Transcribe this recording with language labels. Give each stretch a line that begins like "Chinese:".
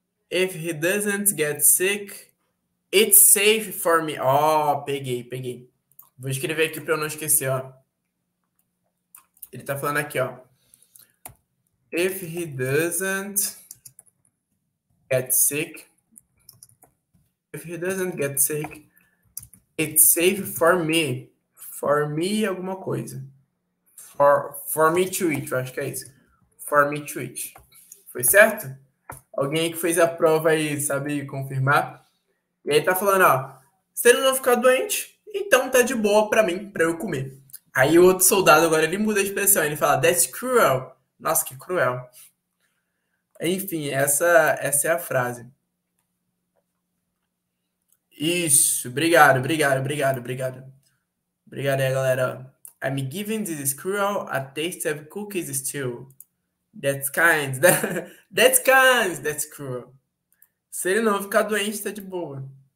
English: If he doesn't get sick, it's safe for me.
Portuguese: Ó, peguei, peguei. Vou escrever aqui pra eu não esquecer, ó. Ele tá falando aqui, ó.
English: If he doesn't get sick, if he doesn't get sick, it's safe for me. For me,
Portuguese: alguma coisa.
English: For me to eat,
Portuguese: eu acho que é isso.
English: For me to eat.
Portuguese: Foi certo? Alguém aí que fez a prova aí, sabe confirmar? E aí tá falando, ó. Se ele não ficar doente, então tá de boa pra mim, pra eu comer. Aí o outro soldado agora ele muda a expressão, ele fala,
English: That's cruel.
Portuguese: Nossa, que cruel. Enfim, essa é a frase. Isso, obrigado, obrigado, obrigado, obrigado. Obrigado aí, galera.
English: I'm giving this squirrel a taste of cookies stew. That's kind. That's kind. That's cruel.
Portuguese: Se ele não ficar doente, tá de boa.